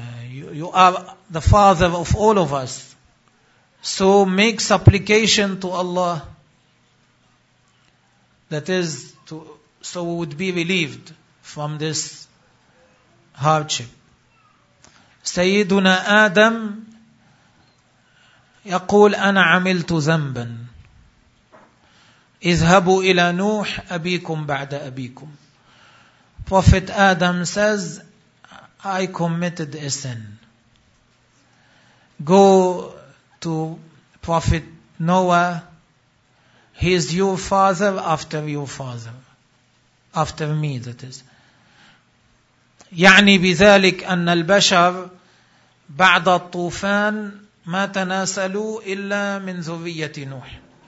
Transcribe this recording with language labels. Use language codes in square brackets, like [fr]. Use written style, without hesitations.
[en] You are the father of all of us. So make supplication to Allah. That is, so we would be relieved from this hardship. [ar] Sayyiduna Adam يقول أنا عملت ذنبا. اذهبوا إلى نوح أبيكم بعد أبيكم. [en] Prophet Adam says, I committed a sin. Go to Prophet Noah. He is your father after your father. After me, that is. [ar] يعني بذلك أن البشر بعد الطوفان ما تناسلوا إلا من ذرية نوح.